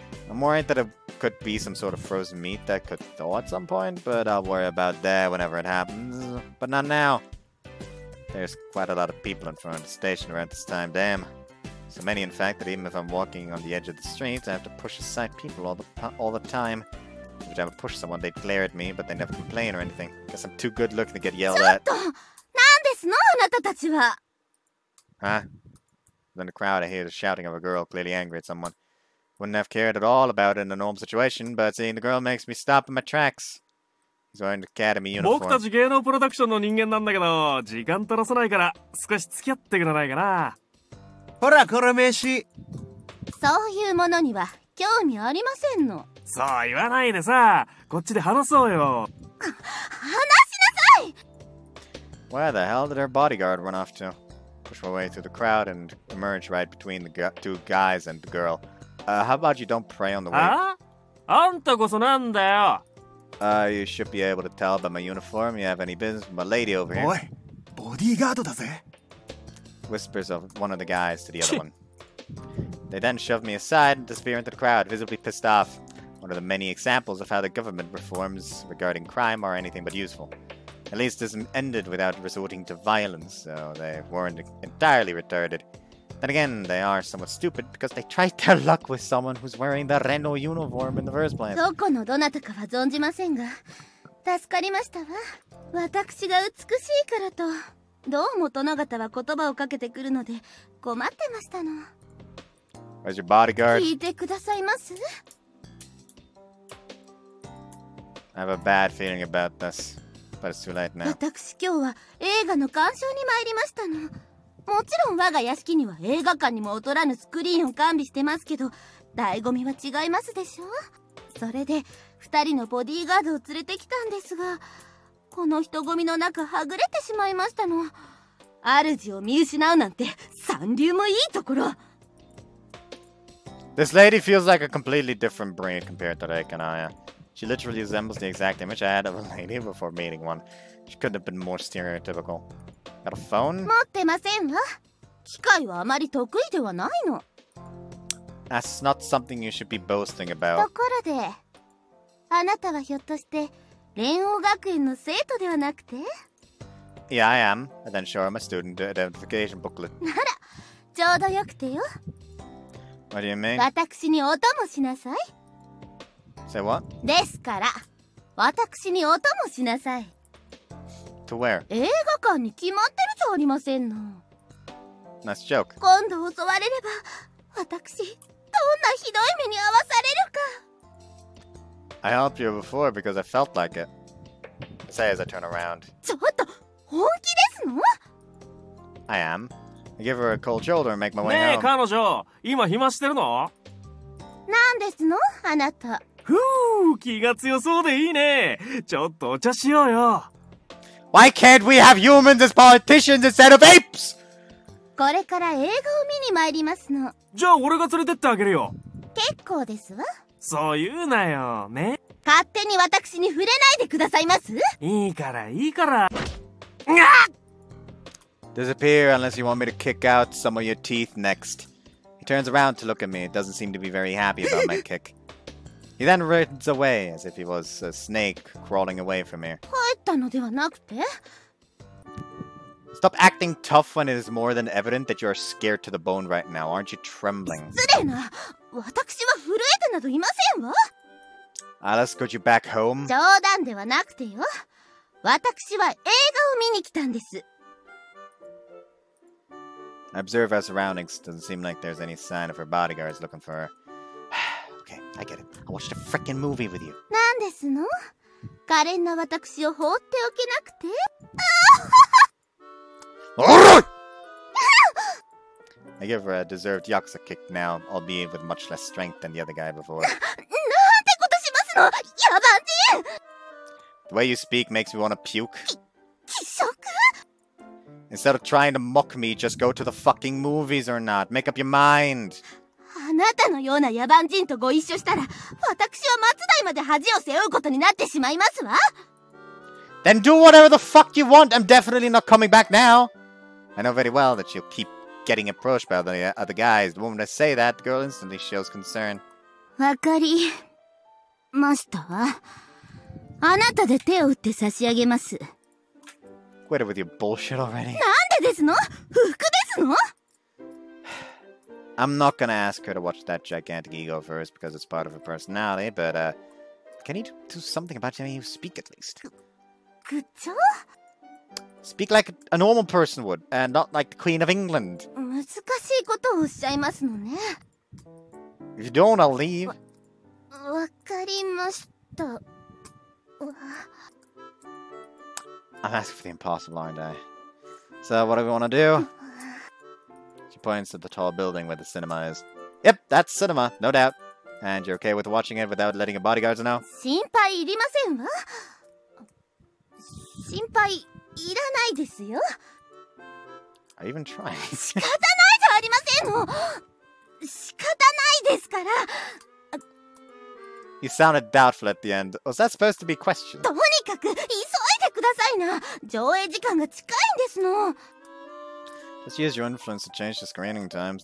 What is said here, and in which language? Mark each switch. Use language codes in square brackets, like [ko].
[en] I'm worried that it could be some sort of frozen meat that could thaw at some point, but I'll worry about that whenever it happens. But not now. There's quite a lot of people in front of the station around this time, damn. So many, in fact, that even if I'm walking on the edge of the street, I have to push aside people all the time. If I ever push someone, they'd glare at me, but they never complain or anything. Guess I'm too good looking to get yelled at. [ja] ちょっと、なんですの、あなたたちは? [en] Huh? Then the crowd, I hear the shouting of a girl, clearly angry at someone. Wouldn't have cared at all about it in a normal situation, but seeing the girl makes me stop in my tracks. He's wearing an academy uniform. [ja] 僕たち芸能プロダクションの人間なんだけど、時間取らせないから、少し付き合ってくれないかな。ほら、この名刺! そういうものには興味ありませんの。そう言わないでさ、こっちで話そうよ。話しなさい。 [en] Where the hell did her bodyguard run off to? Push my way through the crowd and emerge right between the two guys and the girl. How about you don't pray on the way? [ja] あんたこそなんだよ。 [en] You should be able to tell by my uniform you have any business with my lady over here. [ja] おい、ボディーガードだぜ。 [en] Whispers of one of the guys to the other one. They then shove me aside and disappear into the crowd, visibly pissed off. One of the many examples of how the government reforms regarding crime are anything but useful. At least this ended without resorting to violence, so they weren't entirely retarded. Then again, they are somewhat stupid because they tried their luck with someone who's wearing the Reno uniform in the first place. [ja] どこのどなたかは存じませんが、助かりましたわ。私が美しいからと、どうも殿方は言葉をかけてくるので困ってましたの。 [en] Where's your bodyguard? [ja] 聞いてくださいます。 [en] I have a bad feeling about this, but it's too late now. [ja] 私今日は映画の鑑賞に参りましたの。もちろん我が屋敷には映画館にも劣らぬスクリーンを完備してますけど、醍醐味は違いますでしょう。それで二人のボディーガードを連れてきたんですが、この人混みの中はぐれてしまいましたの。主を見失うなんて三流もいいところ。 [en] This lady feels like a completely different breed compared to Reika and Aya. She literally resembles the exact image I had of a lady before meeting one. She couldn't have been more stereotypical. Got a phone? [ja] 持ってませんわ。機械はあまり得意ではないの。 [en] That's not something you should be boasting about. [ja] ところで、あなたはひょっとして連合学園の生徒ではなくて？ [en] Yeah, I am. I then show her my student identification booklet. [ja] なら、ちょうどよくてよ。 [en] What do you mean? [ja] 私に音もしなさい。 [en] Say what? [ja] ですから、私に音もしなさい。 [en] To where? [ja] 映画館に決まってるじゃありませんの。 [en] Nice joke. [ja] 今度襲われれば、私どんなひどい目に遭わされるか。 [en] I helped you before because I felt like it. Say as I turn around. [ja] ちょっと、本気ですの？ [en] I am. I give her a cold shoulder and make my way home. [ja] ねえ、彼女、今暇してるの？なんですの、あなた。ふう、気が強そうでいいね。ちょっとお茶しようよ。 [en] Why can't we have humans as politicians instead of apes? [ja] これから映画を見に参りますの。じゃあ俺が連れてってあげるよ。結構ですわ。そう言うなよね。勝手に私に触れないでくださいます。いいからいいから。 [en] Disappear unless you want me to kick out some of your teeth next. He turns around to look at me. Doesn't seem to be very happy about my kick. He then runs away as if he was a snake crawling away from here. [ja] 帰ったのではなくて? [en] Stop acting tough when it is more than evident that you are scared to the bone right now. Aren't you trembling? [ja] 失礼な。私は震えてなどいませんわ。 [en] I'll escort you back home. [ja] 冗談ではなくてよ。私は映画を見に来たんです。 [en] I observe her surroundings. Doesn't seem like there's any sign of her bodyguards looking for her. Okay, I get it. I watched a freaking movie with you. [ja] なんですの？可憐な私を放っておけなくて。 [en] I give her a deserved yakuza kick now, albeit with much less strength than the other guy before. [ja] なんてことしますの？やばんで。 [en] The way you speak makes me want to puke. [ja] 気色？ [en] Instead of trying to mock me, just go to the fucking movies or not. Make up your mind. [ja] あなたのような野蛮人とご一緒したら、私は末代まで恥を背負うことになってしまいますわ。 [en] Then do whatever the fuck you want. I'm definitely not coming back now. I know very well that you'll keep getting approached by the other guys. The moment I say that, the girl instantly shows concern. [ja] わかりました。あなたで手を打って差し上げます。 [en] Quit it with your bullshit already. [ja] なんでですの？不服ですの？ [en] I'm not gonna ask her to watch that gigantic ego first because it's part of her personality, but, can you do something about how you speak at least? Speak like a normal person would, and not like the Queen of England. [ja] 難しいことをおっしゃいますのね。 [en] If you don't, I'll leave. [ja] わかりました。 [en] I'm asking for the impossible, aren't I? So, what do we want to do? Points at the tall building where the cinema is. Yep, that's cinema, no doubt. And you're okay with watching it without letting your bodyguards know? [ja] 心配いりませんわ。心配いらないですよ。 [en] I even tried. [ja] 仕方ないじゃありませんの。仕方ないですから。 [en] You sounded doubtful at the end. Was that supposed to be questioned? [ja] とにかく急いでくださいな。上映時間が近いんですの。 [en] Just use your influence to change the screening times.